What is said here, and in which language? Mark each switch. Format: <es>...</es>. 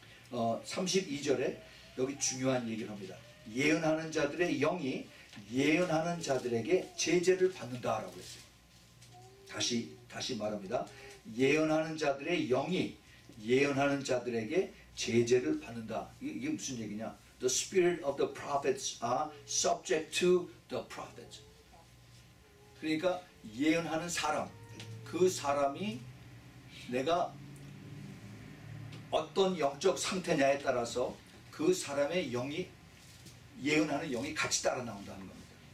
<ko>32절에 여기 중요한 얘기를 합니다. 예언하는 자들의 영이 예언하는 자들에게 제재를 받는다라고 했어요. 다시 말합니다. 예언하는 자들의 영이 예언하는 자들에게 제재를 받는다. 이게 무슨 얘기냐?</ko> <en>The spirit of the prophets are subject to the prophets.</en> <ko>그러니까 예언하는 사람, 그 사람이 내가 어떤 영적 상태냐에 따라서 그 사람의 영이, 예언하는 영이 같이 따라 나온다는 겁니다.</ko>